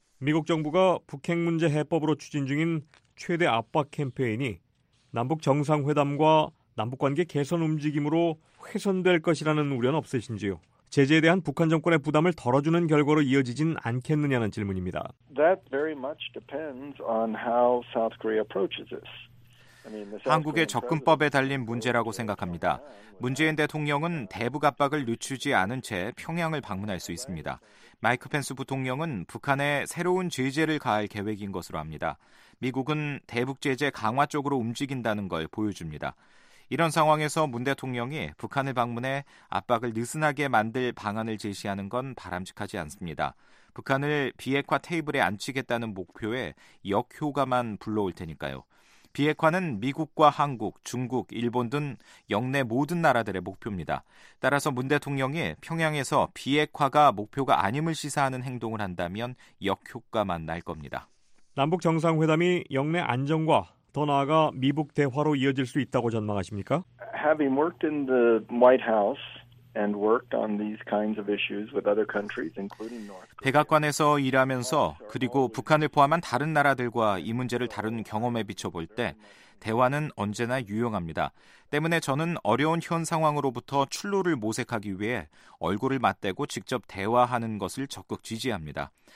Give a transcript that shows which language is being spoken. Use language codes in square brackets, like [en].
[ko] 미국 정부가 북핵 문제 해법으로 추진 중인 최대 압박 캠페인이 남북 정상회담과 남북관계 개선 움직임으로 훼손될 것이라는 우려는 없으신지요? 제재에 대한 북한 정권의 부담을 덜어주는 결과로 이어지진 않겠느냐는 질문입니다. [en] That very much depends on how South Korea approaches this. [ko] 한국의 접근법에 달린 문제라고 생각합니다. 문재인 대통령은 대북 압박을 늦추지 않은 채 평양을 방문할 수 있습니다. 마이크 펜스 부통령은 북한에 새로운 제재를 가할 계획인 것으로 압니다. 미국은 대북 제재 강화 쪽으로 움직인다는 걸 보여줍니다. 이런 상황에서 문 대통령이 북한을 방문해 압박을 느슨하게 만들 방안을 제시하는 건 바람직하지 않습니다. 북한을 비핵화 테이블에 앉히겠다는 목표에 역효과만 불러올 테니까요. 비핵화는 미국과 한국, 중국, 일본 등 역내 모든 나라들의 목표입니다. 따라서 문 대통령이 평양에서 비핵화가 목표가 아님을 시사하는 행동을 한다면 역효과만 날 겁니다. 남북 정상회담이 역내 안정과 더 나아가 미북 대화로 이어질 수 있다고 전망하십니까? [en] Having worked in the White House and worked on these kinds of issues with other countries, including North Korea. [ko] 백악관에서 일하면서 그리고 북한을 포함한 다른 나라들과 이 문제를 다룬 경험에 비춰볼 때 대화는 언제나 유용합니다. 때문에 저는 어려운 현 상황으로부터 출路를 모색하기 위해 얼굴을 맞대고 직접 대화하는 것을 적극 지지합니다.